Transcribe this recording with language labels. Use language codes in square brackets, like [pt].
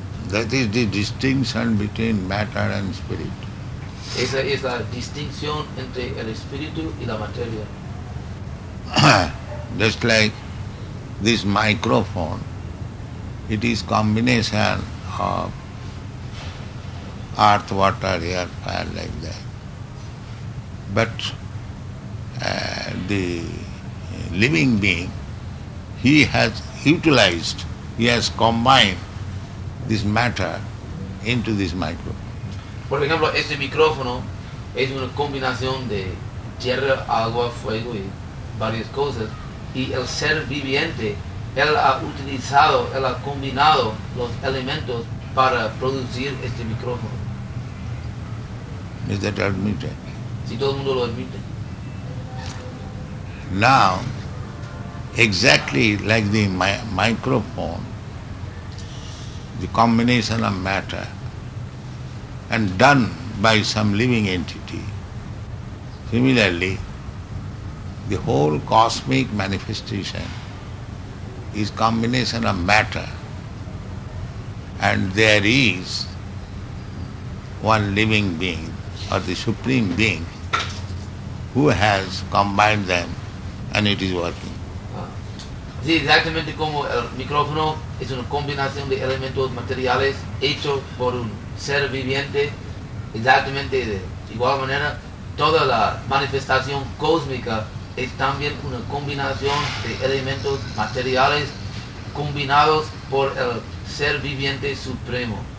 [en] That is the distinction between matter and spirit. [es] Esa es la distinción entre el espíritu y la materia. [en] Just like this microphone, it is combination of earth, water, air, fire, like that. But the living being, he has utilized, he has combined this matter into this microphone. [es] Por ejemplo, este micrófono es una combinación de tierra, agua, fuego y varias cosas. Y el ser viviente, él ha utilizado, él ha combinado los elementos para producir este micrófono. [en] Is that admitted? [es] Si todo el mundo lo admite. [en] Now, exactly like the microphone, the combination of matter, and done by some living entity. Similarly, the whole cosmic manifestation is combination of matter, and there is one living being, or the Supreme Being, who has combined them, and it is working. [es] Sí, exactamente como el micrófono es una combinación de elementos materiales hecho por un ser viviente, exactamente de igual manera, toda la manifestación cósmica es también una combinación de elementos materiales combinados por el ser viviente supremo.